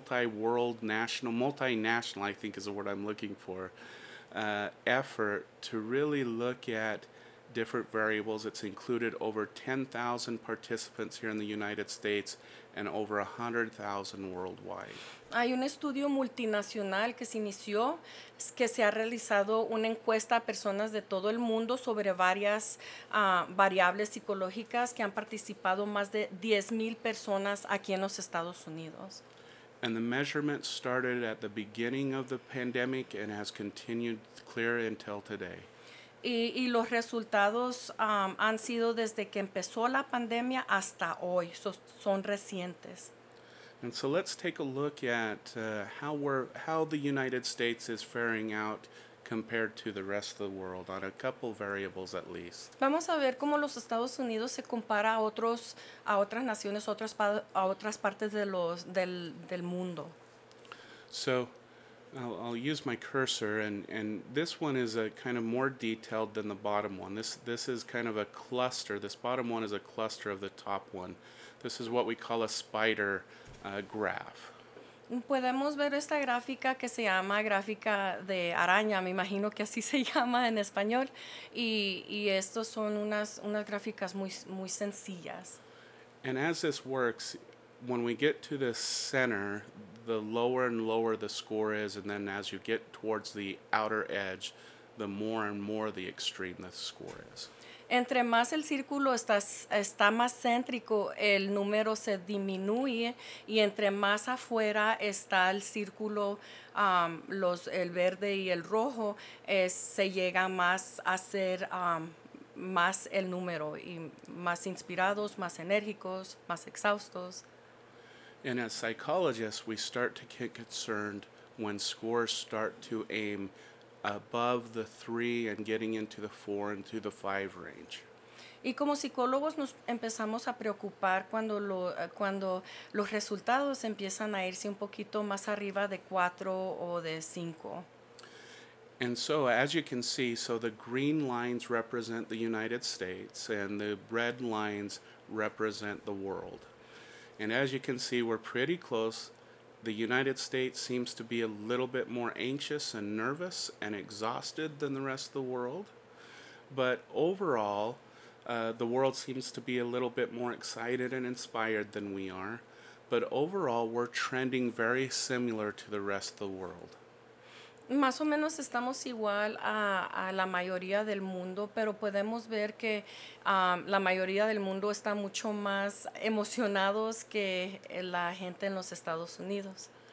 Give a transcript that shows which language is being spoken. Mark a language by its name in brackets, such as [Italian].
[English] multinational, I think is the word I'm looking for, effort to really look at different variables. It's included over 10,000 participants here in the United States and over 100,000 worldwide. [Spanish] Hay un estudio multinacional que se inició, que se ha realizado una encuesta a personas de todo el mundo sobre varias variables psicológicas que han participado más de 10,000 personas aquí en los Estados Unidos. [English] And the measurement started at the beginning of the pandemic and has continued clear until today. [Spanish] Y los resultados han sido desde que empezó la pandemia hasta hoy. Son recientes. [English] And so let's take a look at how the United States is faring out compared to the rest of the world on a couple variables at least. [Spanish] Vamos a ver cómo los Estados Unidos se compara a otras partes de los del mundo. [English] So I'll use my cursor, and this one is a kind of more detailed than the bottom one. This is kind of a cluster. This bottom one is a cluster of the top one. This is what we call a spider graph. [Spanish] Podemos ver esta gráfica que se llama gráfica de araña. Me imagino que así se llama en español. Y estos son unas gráficas muy, muy sencillas. [English] And as this works, when we get to the center, the lower and lower the score is, and then as you get towards the outer edge, the more and more the extreme the score is. [Spanish] Entre más el círculo está más céntrico, el número se disminuye, y entre más afuera está el círculo, el verde y el rojo, se llega más a ser más el número, y más inspirados, más enérgicos, más exhaustos. [English] And as psychologists, we start to get concerned when scores start to aim above the 3 and getting into the 4 and to the 5 range. [Spanish] Y como psicólogos nos empezamos a preocupar cuando los resultados empiezan a irse un poquito más arriba de 4 o de 5. [English] And so, as you can see, so the green lines represent the United States and the red lines represent the world. And as you can see, we're pretty close. The United States seems to be a little bit more anxious and nervous and exhausted than the rest of the world. But overall, the world seems to be a little bit more excited and inspired than we are. But overall, we're trending very similar to the rest of the world. [Spanish] Más o menos estamos igual a la mayoría del mundo, pero podemos ver que la mayoría del mundo está mucho más emocionados que la gente en los Estados Unidos.